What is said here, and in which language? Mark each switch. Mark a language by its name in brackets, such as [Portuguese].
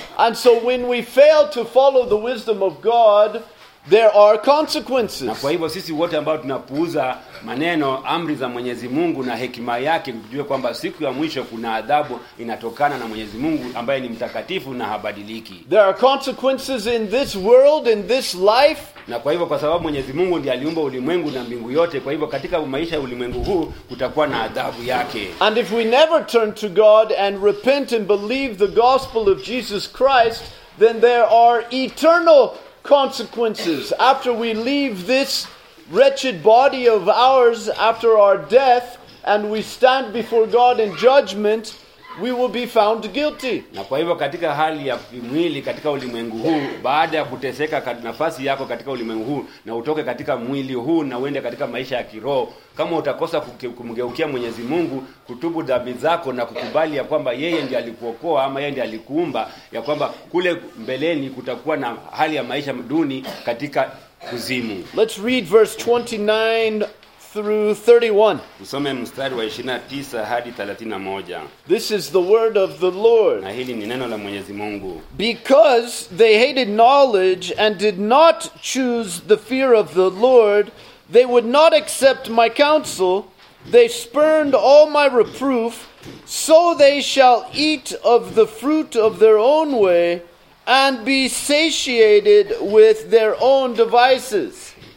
[English] And so when we fail to follow the wisdom of God, there are consequences. [Swahili] Na kwa hivyo sisi wote ambao tunapuuza maneno, amri za Mwenyezi Mungu na hekima yake, mjue kwamba siku ya mwisho kuna adhabu inatokana na Mwenyezi Mungu ambaye ni mtakatifu na habadiliki. [English] There are consequences in this world, in this life. [Swahili] Na kwa hivyo, kwa sababu Mwenyezi Mungu ndiye aliumba ulimwengu na mbingu yote, kwa hivyo katika maisha ya ulimwengu huu kutakuwa na adhabu yake. [English] And if we never turn to God and repent and believe the gospel of Jesus Christ, then there are eternal consequences after we leave this wretched body of ours, after our death and we stand before God in judgment, we will be found guilty. [Swahili] Na kwa hivyo katika hali ya mwili katika ulimwengu huu, baada ya kuteseka kwa nafasi yako katika ulimwengu huu na utoke katika mwili huu na uende katika maisha ya kiroho, kama utakosa kumgeukia Mwenyezi Mungu, kutubu dhambi zako na kukubali ya kwamba yeye ndiye alikuokoa ama yeye ndiye alikuumba, ya kwamba kule mbeleni kutakuwa na hali ya maisha duni katika kuzimu. [English] Let's read verse 29 through 31. [Swahili] Tusome mstari wa 29 hadi 31. [English] This is the word of the Lord. [Swahili] Na hili ni neno la Mwenyezi Mungu. [English] Because they hated knowledge and did not choose the fear of the Lord, they would not accept my counsel, they spurned all my reproof, so they shall eat of the fruit of their own way and be satiated with their own devices.